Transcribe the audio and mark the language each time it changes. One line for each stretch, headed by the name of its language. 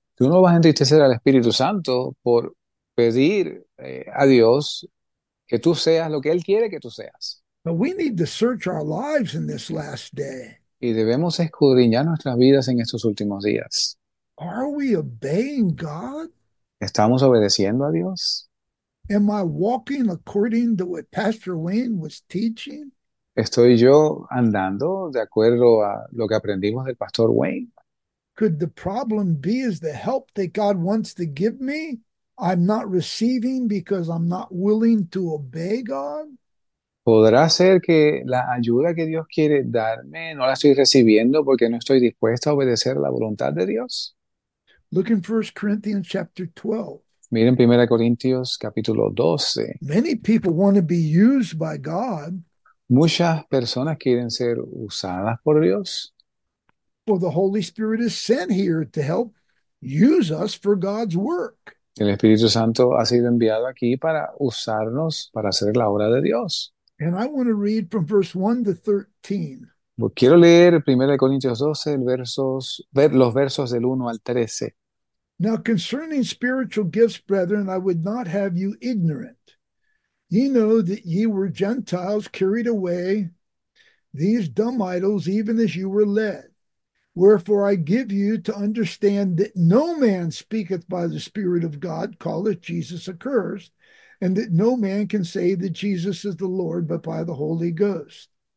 Spanish: Tú no vas a entristecer al Espíritu Santo por pedir a Dios que tú seas lo que Él quiere que tú seas.
English: But we need to search our lives in this last day.
Spanish: Y debemos escudriñar nuestras vidas en estos últimos días.
English: Are we obeying God?
Spanish: ¿Estamos obedeciendo a Dios?
English: Am I walking according to what Pastor Wayne was teaching?
Spanish: ¿Estoy yo andando de acuerdo a lo que aprendimos del Pastor Wayne?
English: Could the problem be is the help that God wants to give me, I'm not receiving because I'm not willing to obey God?
Spanish: ¿Podrá ser que la ayuda que Dios quiere darme no la estoy recibiendo porque no estoy dispuesta a obedecer la voluntad de Dios?
English: Look in 1 Corinthians chapter 12.
Spanish: Miren 1 Corintios capítulo 12.
English: Many people want to be used by God
Spanish: Muchas personas quieren ser usadas por Dios.
English: for the Holy Spirit is sent here to help use us for God's work.
Spanish: El Espíritu Santo ha sido enviado aquí para usarnos para hacer la obra de Dios.
English: And I want to read from verse 1 to 13.
Spanish: Quiero leer 1 Corintios 12, los versos del 1 al 13.
English: Now, concerning spiritual gifts, brethren, I would not have you ignorant. Ye know that ye were Gentiles carried away these dumb idols, even as you were led. Wherefore I give you to understand that no man speaketh by the Spirit of God, calleth Jesus accursed, and that no man can say that Jesus is the Lord but by the Holy Ghost.